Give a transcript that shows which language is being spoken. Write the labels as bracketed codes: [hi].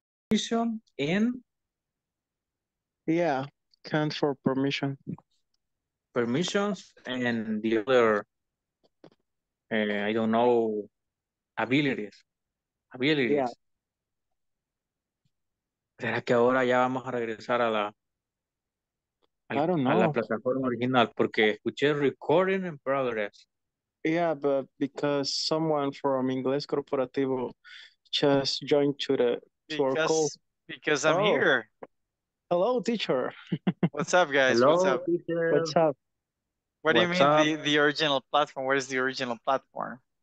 [en] Permission in? Yeah. Can't for permission. Permissions and the other, I don't know, abilities. Abilities. Yeah. [es] ¿Será que ahora ya vamos a regresar a la plataforma original? Porque escuché [en] recording in progress. Yeah, but because someone from Ingles Corporativo just joined to our call. Because I'm here. Hello, teacher. What's up, guys? Hello, what's up? Teacher. What's up? What do you mean the original platform? What is the original platform?